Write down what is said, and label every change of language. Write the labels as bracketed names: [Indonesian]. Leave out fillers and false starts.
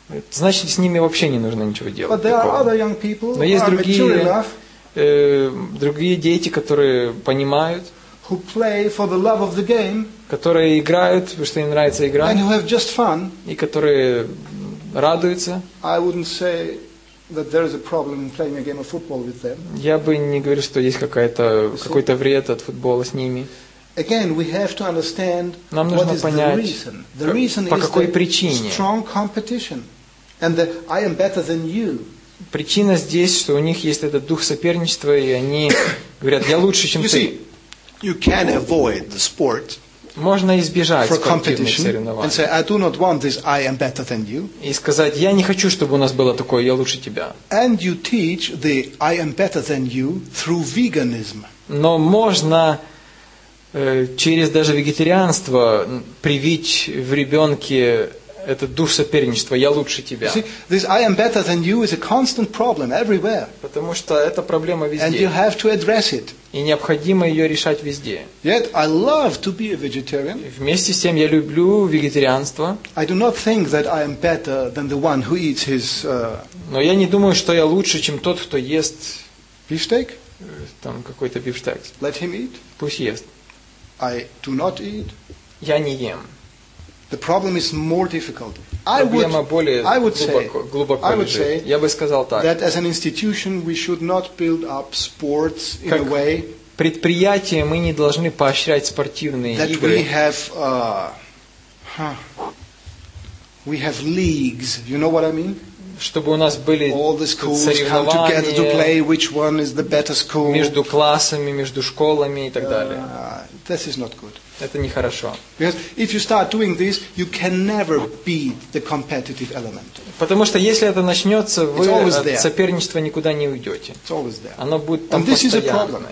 [Russian] Значит, с ними вообще не нужно ничего делать. Но есть другие дети, которые понимают, которые играют, потому что им нравится игра, и которые радуются. [English] I wouldn't say that there is a problem in playing a game of football with them. [Russian] Я бы не говорил, что есть какой-то вред от футбола с ними. [English] Again, we have to understand [Russian] нам [English] what [Russian] нужно [English] is [Russian] понять, [English] the reason. [Russian] По [English] is [Russian] какой [English] the [Russian] причине? [English] Strong competition. And the I am better than you. [Russian] Причина здесь, что у них есть этот дух соперничества, и они говорят, я лучше, чем [English] you [Russian] ты. [English] See, you can avoid the sport. [Russian] Можно избежать спортивных соревнований. [English] And say, I do not want this, I am better than you. [Russian] И сказать, я не хочу, чтобы у нас было такое, я лучше тебя. [English] And you teach the I am better than you through veganism. [Russian] Но можно через даже вегетарианство привить в ребенке этот дух соперничества, я лучше тебя. [English] See, this I am better than you is a constant problem everywhere. [Russian] Потому что это проблема везде. [English] And you have to address it. [Russian] И необходимо ее решать везде. [English] Yet I love to be a vegetarian. [Russian] Вместе с тем я люблю вегетарианство. [English] I do not think that I am better than the one who eats his. [Russian] Но я не думаю, что я лучше, чем тот, кто ест бифштейк. Там какой-то бифштейк. [English] Let him eat. [Russian] Пусть ест. [English] I do not eat. [Russian] Я не ем. [English] The problem is more difficult. I would say that as an institution we should not build up sports in a way. [Russian] Предприятие мы не должны поощрять спортивные игры. [English] That we have leagues. You know what I mean? [Russian] Чтобы у нас были соревнования между классами, между школами и так далее. [English] This is not good. [Russian] Это нехорошо. [English] Because if you start doing this, you can never beat the competitive element. [Russian] Потому что если это начнется, вы от соперничества никуда не уйдете. [English] It's always there. [Russian] Оно будет там постоянно.